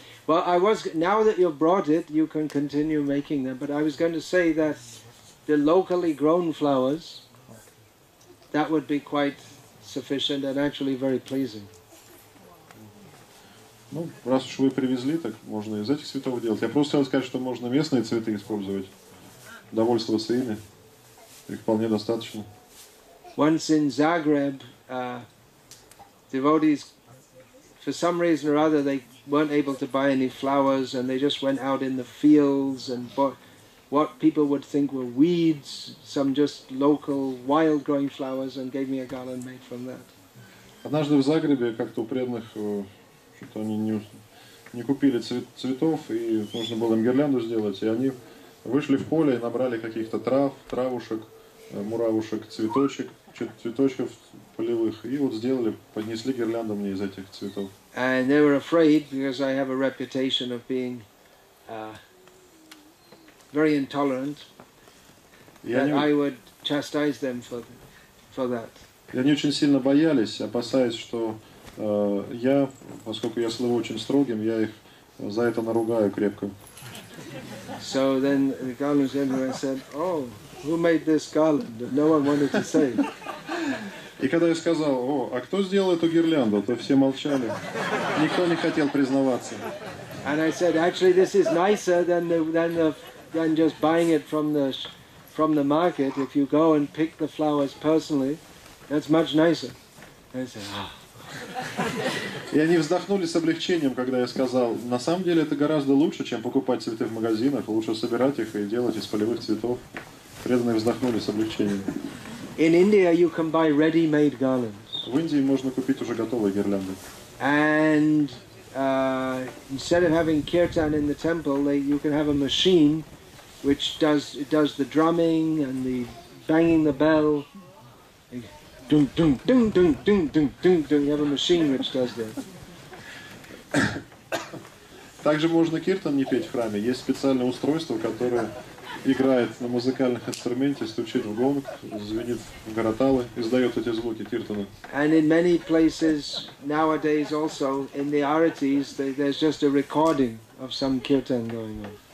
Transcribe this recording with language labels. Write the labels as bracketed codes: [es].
[en] Well, I was now that you've brought it, you can continue making them. But I was going to say that the locally grown flowers, that would be quite sufficient and actually very pleasing. [ru] Ну, раз уж вы привезли, так можно из этих цветов делать. Я просто хотел сказать, что можно местные цветы использовать, довольствоваться ими. Их вполне достаточно. [en] Once in Zagreb, devotees, for some reason or other, they weren't able to buy any flowers, and they just went out in the fields and bought what people would think were weeds, some just local wild-growing flowers, and gave me a garland made from that. [ru] Однажды в Загребе как-то у преданных что-то они не купили цветов, и нужно было им гирлянду сделать, и они вышли в поле и набрали каких-то травушек, муравушек, цветочков полевых, и вот сделали, поднесли гирлянду мне из этих цветов. [en] And they were afraid, because I have a reputation of being very intolerant, that I would chastise them for that. [ru] И они очень сильно боялись, опасаясь, что я, поскольку я слыву очень строгим, я их за это наругаю крепко. [en] So then the garland came and I said, oh, who made this garland? No one wanted to say. [ru] И когда я сказал, о, а кто сделал эту гирлянду, то все молчали. Никто не хотел признаваться. [en] And I said, actually, this is nicer than just buying it from the market. If you go and pick the flowers personally, that's much nicer. And I said, oh. [ru] И они вздохнули с облегчением, когда я сказал, на самом деле это гораздо лучше, чем покупать цветы в магазинах, лучше собирать их и делать из полевых цветов. Преданные вздохнули с облегчением. [en] In India you can buy ready-made garlands. [ru] В Индии можно купить уже готовые гирлянды. [en] And instead of having kirtan in the temple, you can have a machine which does the drumming and the banging the bell. Dung dung dung dung dung dung dung dung. You have a machine which does that. [ru] Также можно киртан не петь в храме. Есть специальное устройство, которое играет на музыкальных инструментах, стучит в гонг, звенит в гараталы, издает эти звуки киртана. [en] And in many places nowadays also in the arities there's just a recording of some kirtan going on.